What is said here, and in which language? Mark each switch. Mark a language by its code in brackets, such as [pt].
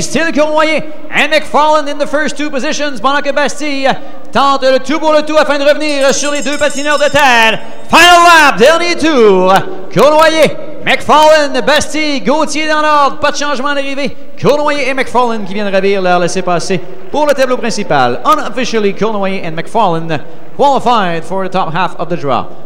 [en] Still Cournoyer and McFarland in the first two positions. [fr] Pendant que Bastier tente le tout pour le tout afin de revenir sur les deux patineurs de tête. [en] Final lap, [fr] dernier tour. Cournoyer, McFarland, Bastier, Gauthier dans l'ordre. Pas de changement d'arrivée. Cournoyer et McFarland qui viennent ravir leur laissez-passer pour le tableau principal. [en] Unofficially, Cournoyer and McFarland qualified for the top half of the draw.